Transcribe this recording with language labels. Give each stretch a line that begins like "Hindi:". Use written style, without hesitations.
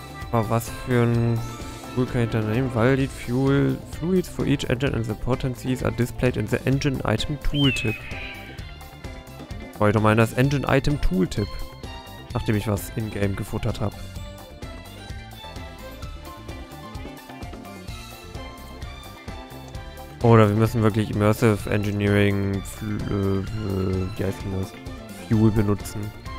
German: Aber was für ein Fuel kann ich da nehmen?
English: Valid Fuel Fluids for each engine and the potencies are displayed in the Engine Item Tooltip.
German: Wollte doch mal in das Engine Item Tooltip. Nachdem ich was in-game gefuttert habe. Oder wir müssen wirklich Immersive Engineering Fuel benutzen.